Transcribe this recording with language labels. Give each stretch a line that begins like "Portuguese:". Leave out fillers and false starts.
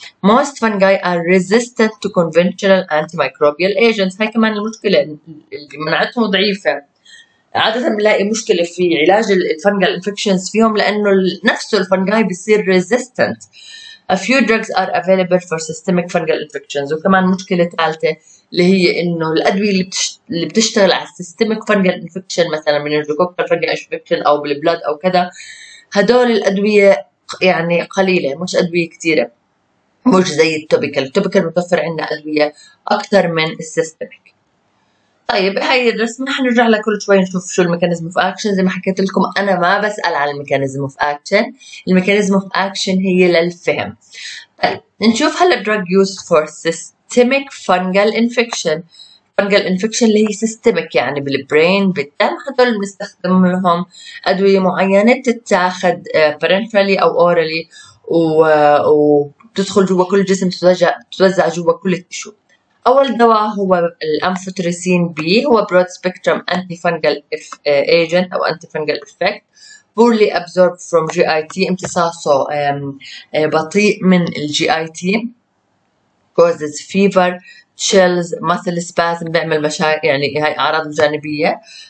English: Most fungi are resistant to conventional antimicrobial agents.
Arabic: هاي كمان المشكلة اللي مناعتهم ضعيفة. عادة بنلاقي مشكلة في علاج الفنجال infections فيهم لأنه نفسه الفنجاي بيصير resistant.
English: A few drugs are available for systemic fungal infections.
Arabic: وكمان مشكلة ثالثة اللي هي انه الادويه اللي بتشتغل على السيستميك فنجل انفكشن مثلا من الكوكتل فنجل انفكشن او بالبلاد او كذا، هدول الادويه يعني قليله، مش ادويه كثيره، مش زي التوبيكال متوفر عندنا ادويه اكثر من السيستميك. طيب هاي الرسمه رح نرجع لها كل شوي نشوف شو الميكانيزم اوف اكشن. زي ما حكيت لكم انا ما بسال على الميكانيزم اوف اكشن، الميكانيزم اوف اكشن هي للفهم. طيب نشوف هلا
English: Drug use for systemic systemic fungal infection.
Arabic: fungal infection اللي هي systemic يعني بالبرين بالدم، هذول بنستخدم لهم أدوية معينة تتاخد parenterally أو orally وتدخل جوا كل جسم، تتوزع جوا كل التشو. أول دواء هو الأمفوتريسين بي، هو
English: broad spectrum antifungal agent أو antifungal effect. poorly absorbed from GIT،
Arabic: امتصاصه بطيء من GIT.
English: causes fever, chills, muscle spasm،
Arabic: بيعمل مشاكل، يعني هاي أعراض جانبية.